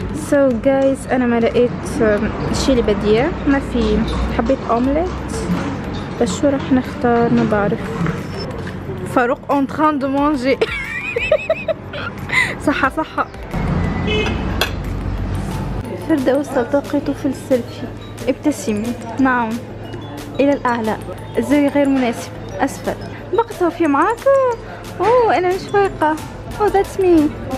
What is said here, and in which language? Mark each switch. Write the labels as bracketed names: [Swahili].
[English] So guys، [Arabic] أنا ما لقيت الشيء اللي بديه، ما في. حبيت أومليت، بس شو رح نختار؟ ما بعرف. [French] فاروق en train de manger. [Arabic] صحة صحة. فردوس التقطه في السيلفي، ابتسمي، نعم الى الاعلى، الزاوية غير مناسب، اسفل. بقت في معاك؟ اوه انا مش فايقه. [English] Oh that's me.